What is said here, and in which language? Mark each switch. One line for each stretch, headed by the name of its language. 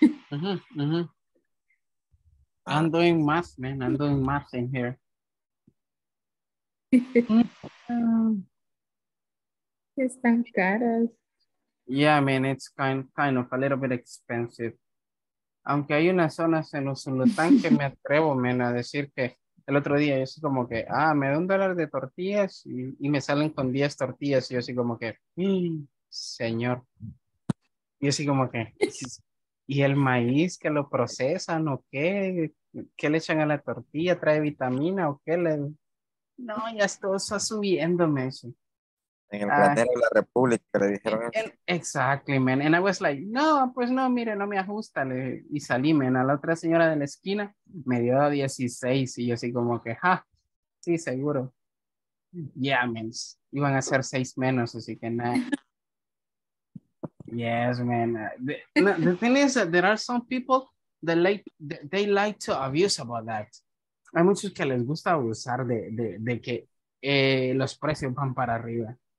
English: Uh-huh. I'm doing math, man. I'm doing math in here.
Spanish: Están caras.
English: Yeah, I mean, it's kind of a little bit expensive.
Spanish: Aunque hay unas zonas en Usulután que me atrevo, man, a decir que el otro día yo soy como que, ah, me da $1 de tortillas y me salen con 10 tortillas. Y yo así como que, señor. Y así como que, ¿y el maíz que lo procesan o qué? ¿Qué le echan a la tortilla? ¿Trae vitamina o qué le...? No, ya esto está subiendo, man. En el plantel de la República le dijeron eso.
English: Exactly, man. And I was like,
Spanish: no, pues no, mire, no me ajusta. Y salí, man. A la otra señora de la esquina me dio 16. Y yo así como que, ja, sí, seguro.
English: Yeah, man.
Spanish: Iban a ser 6 menos, así que nada.
English: Yes, man. The thing is that there are some people that they like to abuse about that.
Spanish: Hay muchos que les gusta abusar de que los precios van para arriba.